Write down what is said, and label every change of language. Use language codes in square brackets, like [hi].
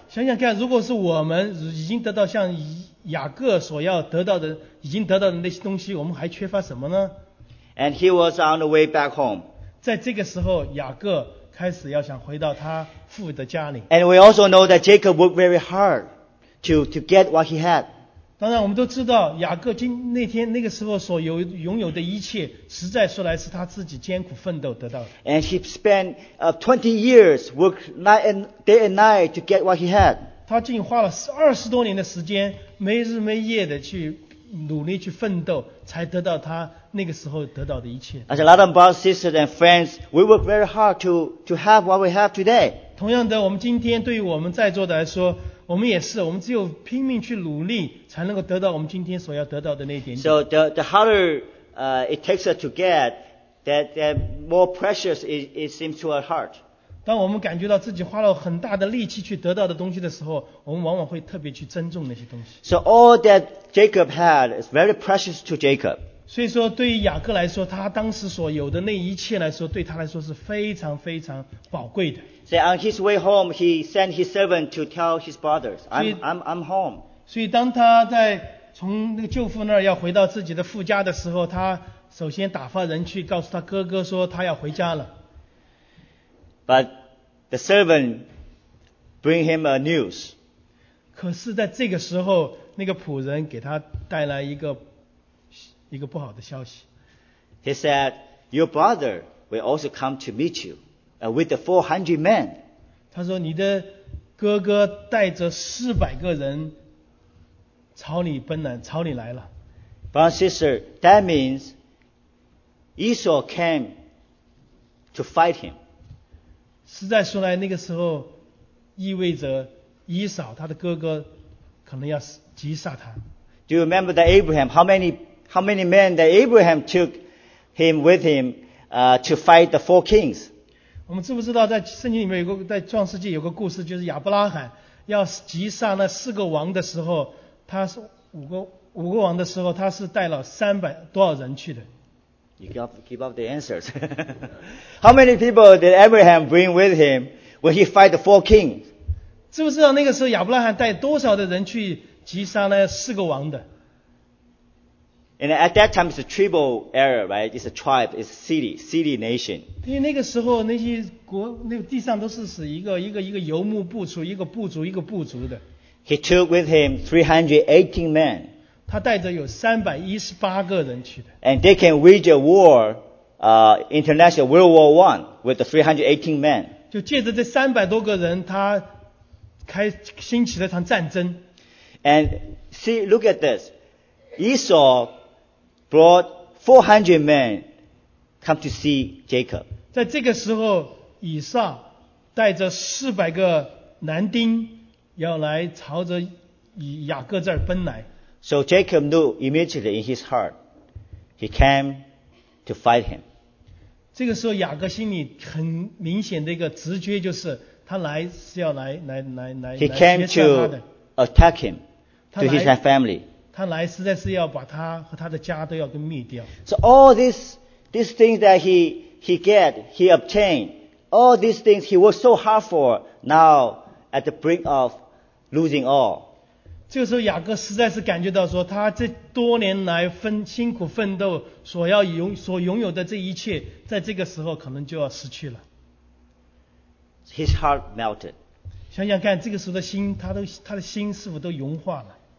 [zh] 想想看，如果是我们已经得到像雅各所要得到的，已经得到的那些东西，我们还缺乏什么呢 [en] ？And he was on the way back home. [zh] 在这个时候，雅各开始要想回到他父的家里。 [en] And we also know that Jacob worked very hard to get what he had. [zh] 当然，我们都知道雅各那个时候所拥有的一切，实在说来是他自己艰苦奋斗得到的。 [en] And he spent 20 years work night and day and night to get what he had. [zh] 他竟花了二十多年的时间，没日没夜的去努力去奋斗，才得到他那个时候得到的一切。 [en] As a lot of brothers, sisters, and friends, we work very hard to have what we have today. [zh] 同样的，我们今天对于我们在座的来说。我们也是，我们只有拼命去努力，才能够得到我们今天所要得到的那一点点。 [en] So the harder it takes us to get, the more precious it seems to our heart. [zh] 当我们感觉到自己花了很大的力气去得到的东西的时候，我们往往会特别去珍重那些东西。 [en] So all that Jacob had is very precious to Jacob. [zh] 所以说，对于雅各来说，他当时所有的那一切来说，对他来说是非常非常宝贵的。 [en] So on his way home, he sent his servant to tell his brothers, I'm home. [zh] 所以当他在从那个舅父那儿要回到自己的父家的时候，他首先打发人去告诉他哥哥说他要回家了。 [en] But the servant bring him a news. [zh] 可是在这个时候，那个仆人给他带来一个不好的消息。 [en] He said, your brother will also come to meet you. With the 400 men. [zh] 他说你的哥哥带着400个人朝你奔来，朝你来了。 [en] But sister, that means Esau came to fight him. [zh] 实在说来，那个时候意味着以扫他的哥哥可能要击杀他。 [en] Do you remember that Abraham? How many men that Abraham took him with him, to fight the four kings? [zh] 我们知不知道在圣经里面有个在创世纪有个故事，就是亚伯拉罕要击杀那四个王的时候，他是五个王的时候，他是带了300多少人去的。 [en] You give up the answers. How many people did Abraham bring with him when he fight the four kings? [zh] 知不知道那个时候亚伯拉罕带多少的人去击杀那四个王的？ [en] And at that time, it's a tribal era, right? It's a tribe, it's a city nation. [zh] 因为那个时候那些国那个地上都是使一个游牧部族，一个部族的。 [en] He took with him 318 men. [zh] 他带着有318个人去的。 [en] And they can wage a war, international World War I with the 318 men. [zh] 就借着这300多个人，他开兴起了一场战争。 [en] And see, look at this. Esau brought 400 men come to see Jacob. [zh] 在这个时候，以撒带着400个男丁。要来朝着雅各这儿奔来。 [en] So Jacob knew immediately in his heart, he came to fight him. [zh] 这个时候雅各心里很明显的一个直觉就是他来是要来。 [en] He came to attack him to his family. [zh] 他来实在是要把他和他的家都要给灭掉。 [en] So all these things that he obtained, all these things he worked so hard for, now at the brink of losing all. [zh] 这个时候雅各实在是感觉到说他这多年来辛苦奋斗所拥有的这一切在这个时候可能就要失去了。 [en] His heart melted. [zh] 想想看这个时候的心他的心是否都融化了。